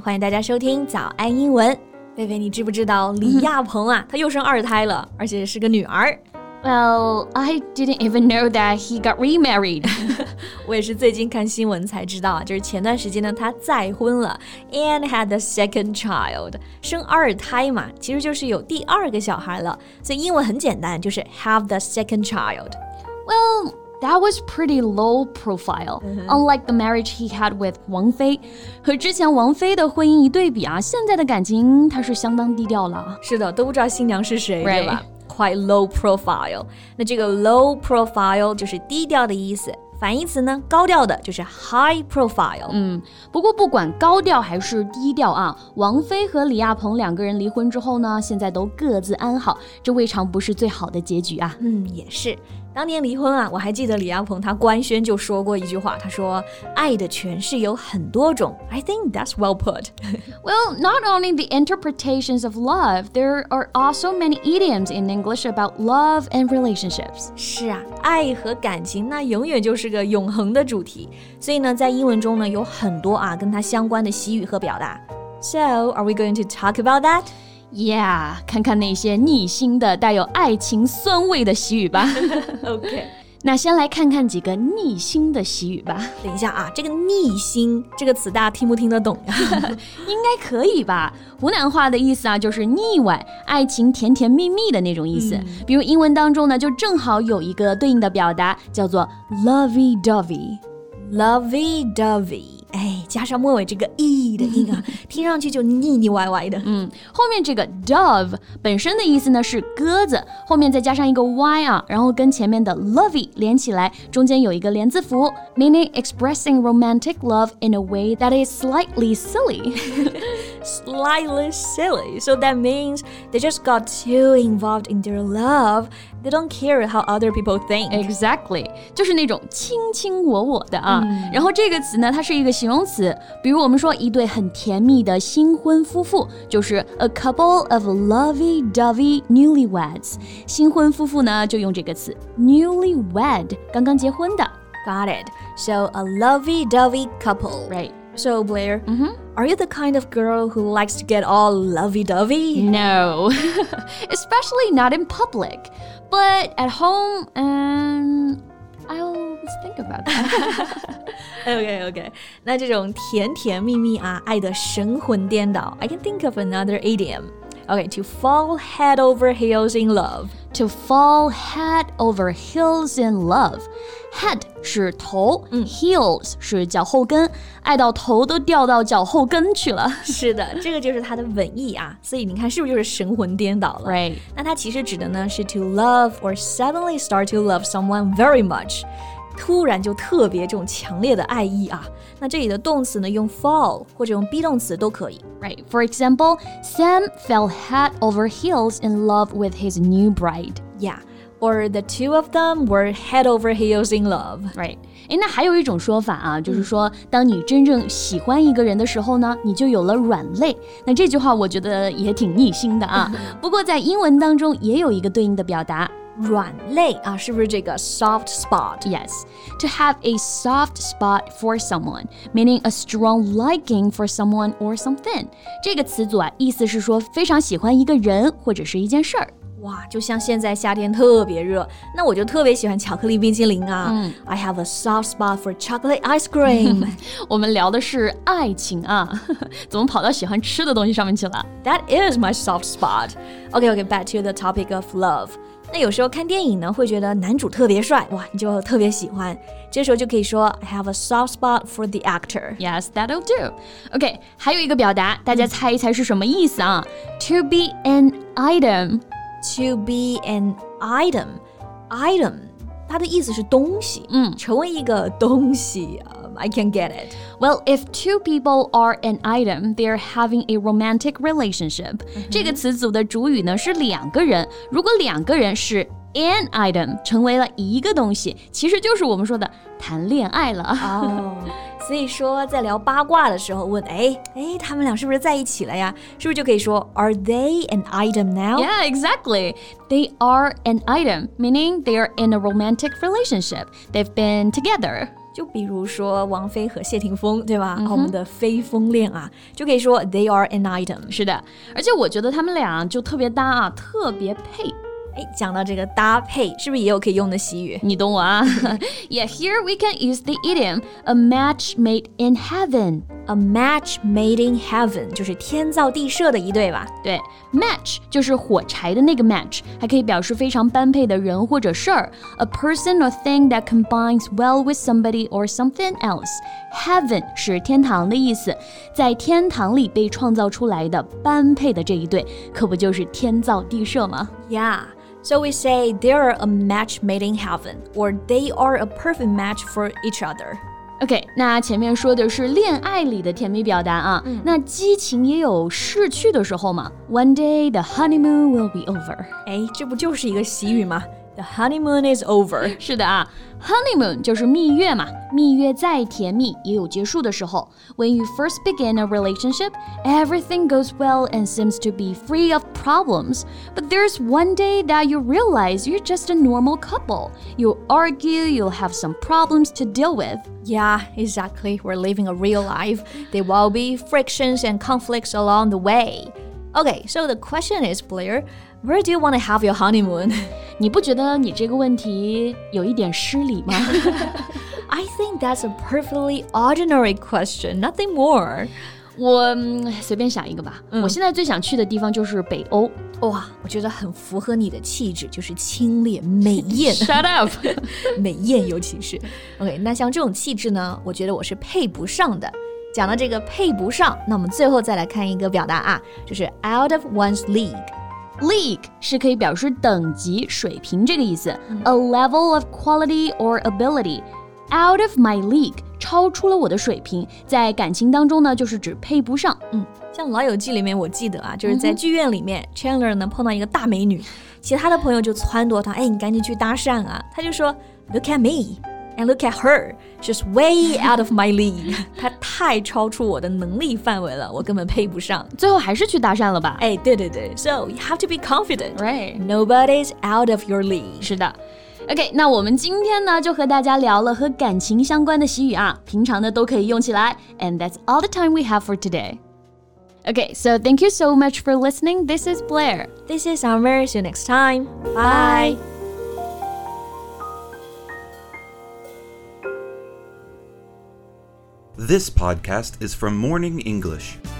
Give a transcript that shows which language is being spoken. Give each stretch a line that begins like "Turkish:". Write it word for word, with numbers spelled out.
Chinese: 欢迎大家收听早安英文。贝贝，你知不知道李亚鹏啊，他又生二胎了，而且是个女儿。
English: Well, I didn't even know that he got remarried.
Chinese: 我也是最近看新闻才知道，就是前段时间呢，他再婚了
English: and had a second child.
Chinese: 生二胎嘛，其实就是有第二个小孩了。所以英文很简单，就是
English: have the second child. Well. That was pretty low profile,、mm-hmm. unlike the marriage he had with 王菲。
Chinese: 和之前王菲的婚姻一对比啊，现在的感情它是相当低调了。是的，都不知道新娘是谁， right. 对吧
English: ？Quite low profile。
Chinese: 那这个 low profile 就是低调的意思。反义词呢，高调的就是 high profile。嗯，不过不管高调还是低调啊，王菲和李亚鹏两个人离婚之后呢，现在都各自安好，这未尝不是最好的结局啊。嗯，也是。当年离婚啊，我还记得李亚鹏他官宣就说过一句话，他说爱的诠释有很多种。
English: I think that's well put. Well, not only the interpretations of love, there are also many idioms in English about love and relationships.
Chinese: 是啊，爱和感情那永远就是个永恒的主题。所以呢，在英文中呢，有很多啊跟它相关的习语和表达。
English: So, are we going to talk about that?
Chinese: Yeah, 看看那些逆心的带有爱情酸味的习语吧。
English: OK,
Chinese: 那先来看看几个逆心的习语吧。等一下啊，这个逆心这个词大家听不听得懂呀？应该可以吧。湖南话的意思啊，就是腻歪，爱情甜甜蜜蜜的那种意思。嗯、比如英文当中呢，就正好有一个对应的表达，叫做 lovey-dovey。 lovey-dovey。哎，加上末尾这个 e 的音啊，听上去就腻腻歪歪的。嗯，后面这个 dove 本身的意思呢是鸽子，后面再加上一个 y 啊，然后跟前面的 lovey 连起来，中间有一个连字符 ，
English: meaning expressing romantic love in a way that is slightly silly. Slightly silly, so that means they just got too involved in their love. They don't care how other people think.
Chinese: Exactly, 就是那种卿卿我我的啊。嗯、然后这个词呢，它是一个形容词，比如我们说一对很甜蜜的新婚夫妇，就是
English: a couple of lovey-dovey newlyweds.
Chinese: 新婚夫妇呢，就用这个词 newlywed, 刚刚结婚的。
English: Got it. So a lovey-dovey couple. Right. So, Blair,、mm-hmm. are you the kind of girl who likes to get all lovey-dovey? No, especially not in public. But at home, um, I'll think about that. Okay, okay.
Chinese: 那这种甜甜蜜蜜啊，爱得神魂颠倒。
English: I can think of another idiom. Okay, to fall head over heels in love. To fall head over heels in love.
Chinese: Head 是头、嗯、heels 是脚后跟，爱到头都掉到脚后跟去了。是的，这个就是它的文意啊，所以你看是不是就是神魂颠倒了？
English: Right.
Chinese: 那它其实指的呢是
English: to love or suddenly start to love someone very much，
Chinese: 突然就特别这种强烈的爱意啊。那这里的动词呢用 fall 或者用 be 动词都可以。
English: Right. For example, Sam fell head over heels in love with his new bride. Yeah. Or the two of them were head over heels in love. Right.
Chinese: 诶，那还有一种说法啊，就是说，当你真正喜欢一个人的时候呢，你就有了软肋。那这句话我觉得也挺逆心的啊。不过在英文当中也有一个对应的表达。软肋啊，是不是这个 soft spot?
English: Yes, to have a soft spot for someone, meaning a strong liking for someone or something.
Chinese: 这个词组啊，意思是说非常喜欢一个人或者是一件事儿。哇，就像现在夏天特别热，那我就特别喜欢巧克力冰淇淋啊、嗯、
English: I have a soft spot for chocolate ice cream.
Chinese: 我们聊的是爱情啊，怎么跑到喜欢吃的东西上面去了？
English: That is my soft spot. Okay, okay, back to the topic of love.
Chinese: 那有时候看电影呢，会觉得男主特别帅，哇，你就特别喜欢，这时候就可以说
English: I have a soft spot for the actor. Yes, that'll do.
Chinese: Okay, 还有一个表达，大家猜一猜是什么意思啊、嗯、
English: To be an item. To be an item.
Chinese: Item, 它的意思是东西，嗯，成为一个东西。
English: Um, I can get it. Well, if two people are an item, they are having a romantic relationship.
Chinese: 这个词组的主语呢是两个人，如果两个人是an item 成为了一个东西，其实就是我们说的谈恋爱了。 oh, 所以说在聊八卦的时候问，哎哎，他们俩是不是在一起了呀？是不是就可以说
English: Are they an item now? Yeah, exactly. They are an item, meaning they are in a romantic relationship. They've been together.
Chinese: 就比如说王菲和谢霆锋，对吧？嗯、我们的非风恋啊，就可以说
English: they are an item。
Chinese: 是的，而且我觉得他们俩就特别搭啊，特别配。哎，讲到这个搭配，是不是也有可以用的习语？你懂我啊。
English: Yeah, here we can use the idiom a match made in heaven. A match made in heaven
Chinese: 就是天造地设的一对吧？对 ，match 就是火柴的那个 match， 还可以表示非常般配的人或者事儿。
English: A person or thing that combines well with somebody or something else.
Chinese: Heaven 是天堂的意思，在天堂里被创造出来的般配的这一对，可不就是天造地设吗
English: ？Yeah. So we say they are a match made in heaven, or they are a perfect match for each other.
Chinese: OK, 那前面说的是恋爱里的甜蜜表达啊，嗯、那激情也有逝去的时候嘛。
English: One day the honeymoon will be over.
Chinese: 哎，这不就是一个习语吗？
English: The honeymoon is over.
Chinese: 是的啊 ，honeymoon 就是蜜月嘛，蜜月再甜蜜也有结束的时候。
English: When you first begin a relationship, everything goes well and seems to be free of problems. But there's one day that you realize you're just a normal couple. You'll argue, you'll have some problems to deal with. Yeah, exactly. We're living a real life. There will be frictions and conflicts along the way. Okay, so the question is, Blair. Where do you want to have your honeymoon?
Chinese: 你不觉得你这个问题有一点失礼吗？
English: I think that's a perfectly ordinary question, nothing more.
Chinese: 我随便想一个吧。嗯、我现在最想去的地方就是北欧。哇，我觉得很符合你的气质，就是清冽美艳。
English: Shut up!
Chinese: 美艳尤其是。 OK, 那像这种气质呢，我觉得我是配不上的。讲到这个配不上，那我们最后再来看一个表达啊，就是
English: out of one's league.
Chinese: League 是可以表示等级、水平这个意思。
English: A level of quality or ability. Out of my league,
Chinese: 超出了我的水平。在感情当中呢，就是指配不上。嗯，像《老友记》里面，我记得啊，就是在剧院里面、嗯、，Chandler 呢碰到一个大美女，其他的朋友就撺掇他，哎，你赶紧去搭讪啊。他就说
English: ，Look at me and look at her, she's way out of my league.
Chinese: 她太超出我的能力范围了，我根本配不上。最后还是去搭讪了吧？哎，对对对。
English: So you have to be confident, right? Nobody's out of your league.
Chinese: 是的。 OK, 那我们今天呢就和大家聊了和感情相关的习语啊，平常的都可以用起来。
English: And that's all the time we have for today. OK, so thank you so much for listening. This is Blair. This is Summer. See you next time. Bye. Bye. This podcast is from Morning English.